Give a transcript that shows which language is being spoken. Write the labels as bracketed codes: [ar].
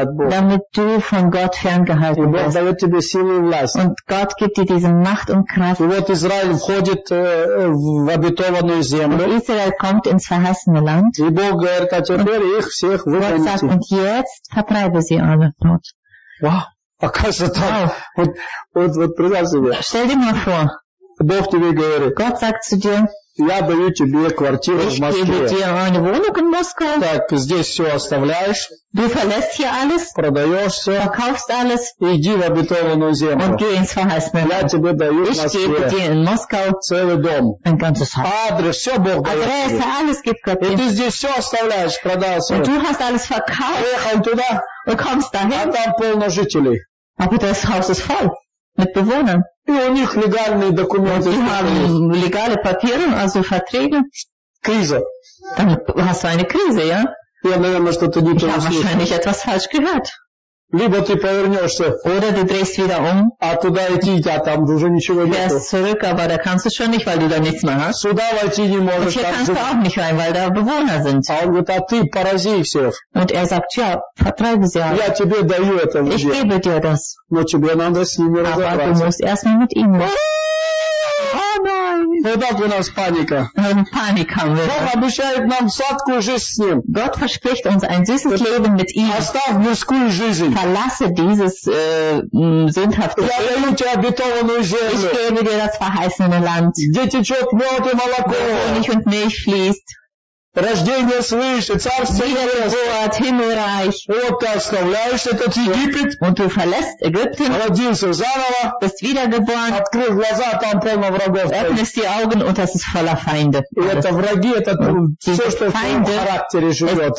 [de] Damit du von Gott ferngehalten wirst. Und Gott gibt dir diese Macht und Kraft. Und [ru] Israel входит в обетованную землю. [de] Kommt ins verheißene Land. Gott sagt, und jetzt vertreibe sie alle dort. Wow. Stell dir mal vor, Gott sagt zu dir, [ru] я даю тебе квартиру [de] ich [ru] в Москве. Тебе [de] wohnung in Moskau. [ru] Так, здесь все оставляешь. [de] Du verlässt hier alles. [ru] Продаешь все. [de] Verkaufst alles. [ru] Иди в обетованную землю. [de] Und geh ins verheißene Land. [ru] Я тебе даю [de] ich gebe dir in Moskau. [ru] Целый дом. [de] Ein ganzes Haus. [ru] Адрес, все Бог дает. [de] Adresse, alles gibt Gott. [ru] И ты здесь все оставляешь, продал все. [de] Und du hast alles verkauft. [ru] Поехал туда. [de] Du kommst dahin. [ru] А там полно жителей. [de] Aber das Haus ist voll. Mit Bewohnern. [ru] И у них легальные документы. [de] Die haben legale Papiere, also Verträge. Krise. Dann hast du eine Krise, ja? [ru] Я, наверное, что-то не [de] ich habe wahrscheinlich etwas falsch gehört. [ru] Либо ты повернешься. [de] Oder du drehst wieder um. [ru] А туда идти, а там уже ничего нету. [de] Fährst zurück, aber da kannst du schon nicht, weil du da nichts mehr hast. [ru] Сюда войти не можешь. [de] Und hier kannst du auch nicht rein, weil da Bewohner sind. [ru] А он говорит, а ты порази всех. [de] Und er sagt, ja, vertreibe sie alle. [ru] Я тебе даю это. [de] Ich gebe dir das. [ru] Но тебе надо с ними разобраться. [de] Aber du musst erstmal mit ihm machen. [ru] Вот так у нас паника. Паника. Бог обещает нам сладкую жизнь с ним. [de] Gott verspricht uns ein süßes Leben mit ihm. [ru] Оставь мирскую жизнь. [de] Verlasse dieses sündhafte Leben. [ru] Я даю тебе обетованную землю. [de] Ich gebe dir das verheißene Land. [ru] Где течет мед и молоко. [de] Honig und Milch fließt. [ru] Рождение свыше, царство Небесное, [de] Himmelreich. [ru] Вот ты оставляешь этот Египет. [de] Und du verlässt Ägypten. [ru] Родился заново. [de] Bist wiedergeboren. [ru] Открыл глаза, там полно врагов. [de] Öffnest die Augen und das ist voller Feinde. [ru] И это враги, это все, что в твоем характере живет.